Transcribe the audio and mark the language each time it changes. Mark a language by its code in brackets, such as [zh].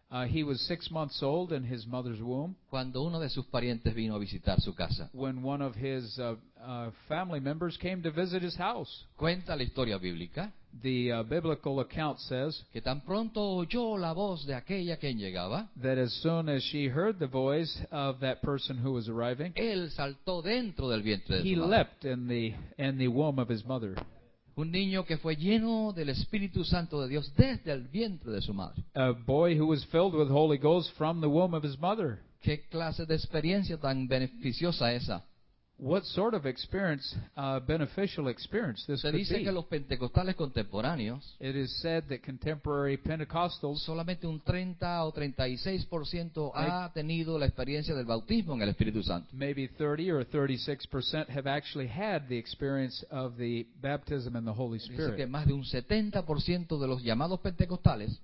[en] He was 6 months old in his mother's womb. [es] Cuando uno de sus parientes vino a visitar su casa. [en] When one of his family members came to visit his house. [es] Cuenta la historia bíblica. [en] The biblical account says [es] que tan pronto oyó la voz de aquella quien llegaba, [en] that as soon as she heard the voice of that person who was arriving, [es] él saltó dentro del vientre de su madre. [en] He leapt in the womb of his mother. [es] Un niño que fue lleno del Espíritu Santo de Dios desde el vientre de su madre. [en] A boy who was filled with Holy Ghost from the womb of his mother. [es] ¿Qué clase de experiencia tan beneficiosa esa? [en] What sort of experience, beneficial experience this could be? [es] Se dice que los pentecostales contemporáneos, [en] it is said that contemporary Pentecostals, [es] solamente un 30 o 36% ha tenido la experiencia del bautismo en el Espíritu Santo. [en] Maybe 30 or 36% have actually had the experience of the baptism in the Holy Spirit. [es] Dice que más de un 70% de los llamados pentecostales,